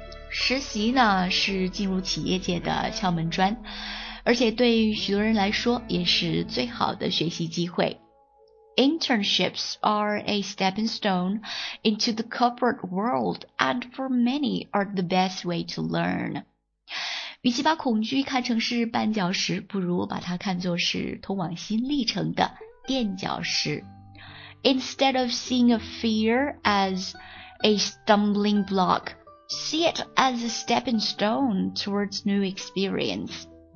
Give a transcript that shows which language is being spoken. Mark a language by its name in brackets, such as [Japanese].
[Chinese] 实习呢，是进入企业界的敲门砖。而且对许多人来说也是最好的学习机会。 [English] Internships are a stepping stone into the corporate world and for many are the best way to learn. [Chinese] 与其把恐惧看成是绊脚石不如把它看作是通往新历程的垫脚石。 [English] Instead of seeing a fear as a stumbling block, see it as a stepping stone towards new experience.